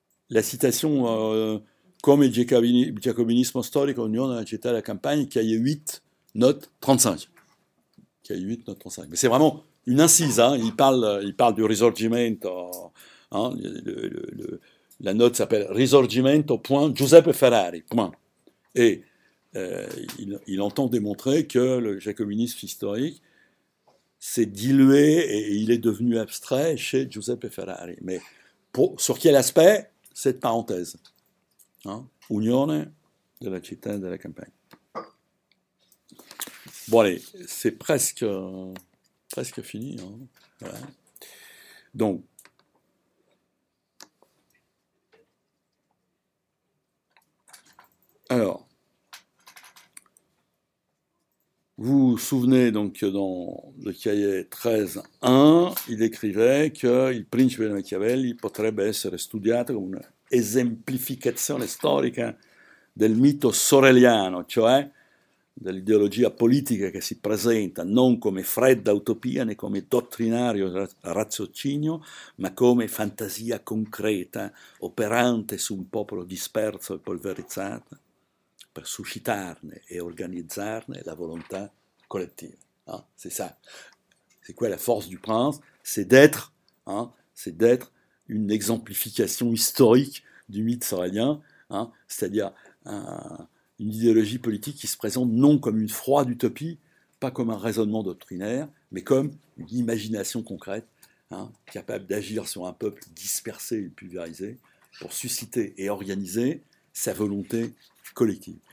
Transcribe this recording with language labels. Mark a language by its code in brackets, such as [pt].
[fr] La citation [it] « Come Giacobinismo storico, Unione della città della campagna », [fr] cahier 8, note 35. Cahier 8, note 35. Mais c'est vraiment une incise, hein. Il parle du Risorgimento. Hein. La note s'appelle « Risorgimento, point, Giuseppe Ferrari, point ». Et il entend démontrer que le jacobinisme historique s'est dilué et il est devenu abstrait chez Giuseppe Ferrari. Mais sur quel aspect ? Cette parenthèse. Hein ? Unione de la città de la campagne. Bon, allez, c'est presque fini. Hein, voilà. Donc, alors, vous vous souvenez donc que dans le cahier 13.1, il écrivait que [it] il principe de Machiavelli potrebbe essere studiato come un'esemplificazione storica del mito sorelliano, cioè dell'ideologia politica che si presenta non come fredda utopia né come dottrinario raziocinio, ma come fantasia concreta operante su un popolo disperso e polverizzato per suscitarne e organizzarne la volontà collective. [fr] Hein, c'est ça. C'est quoi la force du prince ? C'est d'être une exemplification historique du mythe sorélien, hein, c'est-à-dire une idéologie politique qui se présente non comme une froide utopie, pas comme un raisonnement doctrinaire, mais comme une imagination concrète, hein, capable d'agir sur un peuple dispersé et pulvérisé pour susciter et organiser sa volonté collective.